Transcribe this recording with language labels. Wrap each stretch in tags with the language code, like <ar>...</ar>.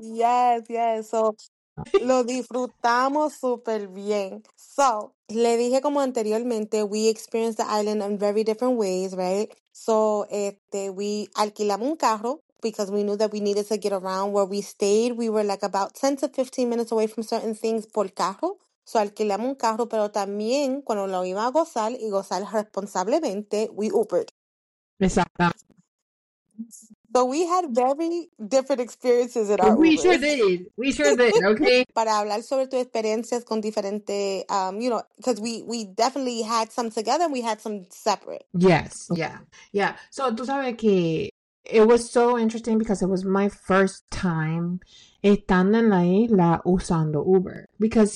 <en>Yes, yes.</en> <es>So lo disfrutamos súper bien.</es> <en>So,</en> <es>le dije como anteriormente,</es> <en>we experienced the island in very different ways, right?</en> <es>So, we alquilamos un carro.</es> <en>Because we knew that we needed to get around where we stayed. We were like about 10 to 15 minutes away from certain things</en> <es>por carro. So alquilamos un carro, pero también cuando lo iba a gozar y gozar responsablemente,</es> <en>we Ubered.</en> <es>Exacto.</es> <en>So we had very different experiences in our Ubers. We sure did, okay?</en> <es>Para hablar sobre tu experiencias con diferente,</es> <en>you know, because we definitely had some together and we had some separate. Yes, yeah. So</en> <es>tú sabes que...</es> <en>It was so interesting because it was my first time</en> <es>estando en la isla usando Uber.</es> <en>Because</en>